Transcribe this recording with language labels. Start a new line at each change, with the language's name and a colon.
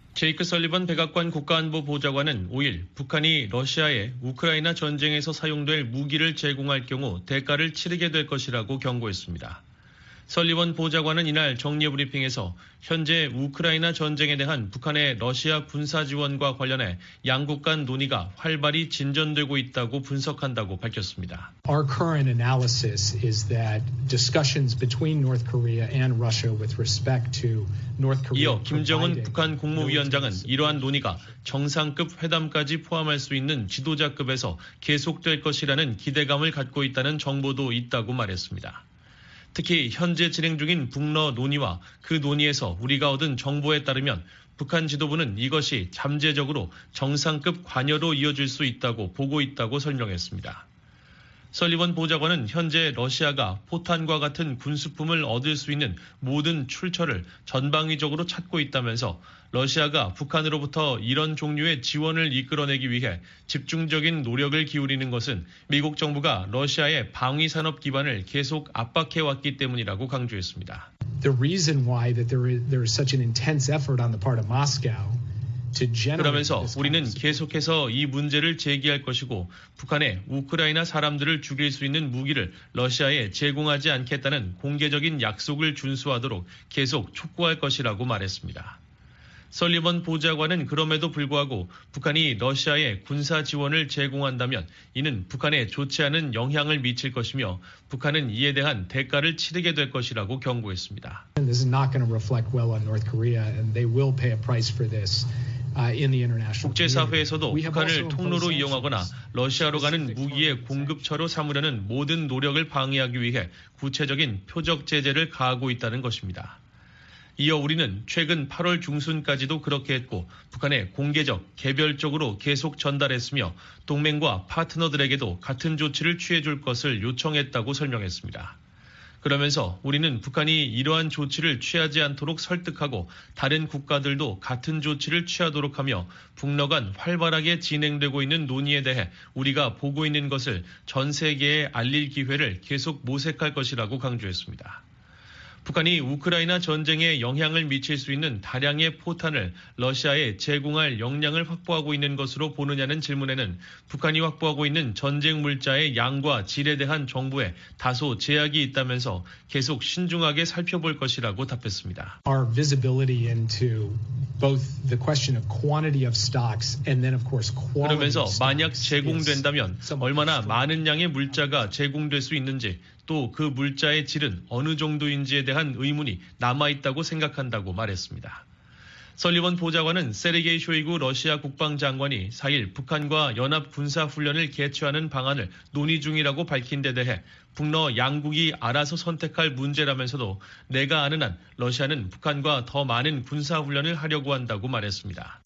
Korean: 제이크 설리번 백악관 국가안보 보좌관은 5일 북한이 러시아에 우크라이나 전쟁에서 사용될 무기를 제공할 경우 대가를 치르게 될 것이라고 경고했습니다. 설리번 보좌관은 이날 정례 브리핑에서 현재 우크라이나 전쟁에 대한 북한의 러시아 군사 지원과 관련해 양국 간 논의가 활발히 진전되고 있다고 분석한다고 밝혔습니다.
English: Our current analysis is that discussions between North Korea and Russia with respect to North Korea.
Korean: 이어 김정은 북한 국무위원장은 이러한 논의가 정상급 회담까지 포함할 수 있는 지도자급에서 계속될 것이라는 기대감을 갖고 있다는 정보도 있다고 말했습니다. 특히 현재 진행 중인 북러 논의와 그 논의에서 우리가 얻은 정보에 따르면 북한 지도부는 이것이 잠재적으로 정상급 관여로 이어질 수 있다고 보고 있다고 설명했습니다. 설리번 보좌관은 현재 러시아가 포탄과 같은 군수품을 얻을 수 있는 모든 출처를 전방위적으로 찾고 있다면서 러시아가 북한으로부터 이런 종류의 지원을 이끌어내기 위해 집중적인 노력을 기울이는 것은 미국 정부가 러시아의 방위산업 기반을 계속 압박해왔기 때문이라고 강조했습니다.
English: The reason why that there is such an intense effort on the part of Moscow.
Korean: 그러면서 우리는 계속해서 이 문제를 제기할 것이고 북한에 우크라이나 사람들을 죽일 수 있는 무기를 러시아에 제공하지 않겠다는 공개적인 약속을 준수하도록 계속 촉구할 것이라고 말했습니다. 설리번 보좌관은 그럼에도 불구하고 북한이 러시아에 군사 지원을 제공한다면 이는 북한에 좋지 않은 영향을 미칠 것이며 북한은 이에 대한 대가를 치르게 될 것이라고 경고했습니다.
English: This is not going to reflect well on North Korea and they will pay a price for this.
Korean: 국제사회에서도 북한을 통로로 이용하거나 러시아로 가는 무기의 공급처로 삼으려는 모든 노력을 방해하기 위해 구체적인 표적 제재를 가하고 있다는 것입니다. 이어 우리는 최근 8월 중순까지도 그렇게 했고 북한에 공개적, 개별적으로 계속 전달했으며 동맹과 파트너들에게도 같은 조치를 취해줄 것을 요청했다고 설명했습니다. 그러면서 우리는 북한이 이러한 조치를 취하지 않도록 설득하고 다른 국가들도 같은 조치를 취하도록 하며 북러 간 활발하게 진행되고 있는 논의에 대해 우리가 보고 있는 것을 전 세계에 알릴 기회를 계속 모색할 것이라고 강조했습니다. 북한이 우크라이나 전쟁에 영향을 미칠 수 있는 다량의 포탄을 러시아에 제공할 역량을 확보하고 있는 것으로 보느냐는 질문에는 북한이 확보하고 있는 전쟁 물자의 양과 질에 대한 정부에 다소 제약이 있다면서 계속 신중하게 살펴볼 것이라고 답했습니다.
English: Our visibility into both the question of quantity of stocks and then of course quality.
Korean: 그러면서 만약 제공된다면 얼마나 많은 양의 물자가 제공될 수 있는지 또 그 물자의 질은 어느 정도인지에 대한 의문이 남아있다고 생각한다고 말했습니다. 설리번 보좌관은 세르게이 쇼이구 러시아 국방장관이 4일 북한과 연합군사훈련을 개최하는 방안을 논의 중이라고 밝힌 데 대해 북러 양국이 알아서 선택할 문제라면서도 내가 아는 한 러시아는 북한과 더 많은 군사훈련을 하려고 한다고 말했습니다.